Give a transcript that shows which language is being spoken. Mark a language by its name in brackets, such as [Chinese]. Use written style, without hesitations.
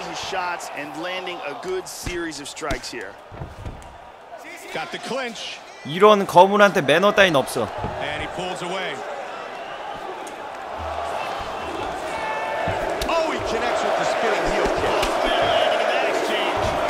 [English] Shots and landing a good series of strikes here. Got the clinch. [Korean] 이런 거물한테 매너 따윈 없어. [English] And he pulls away. Oh, he connects with the spinning heel kick. Oh, man, look at that exchange.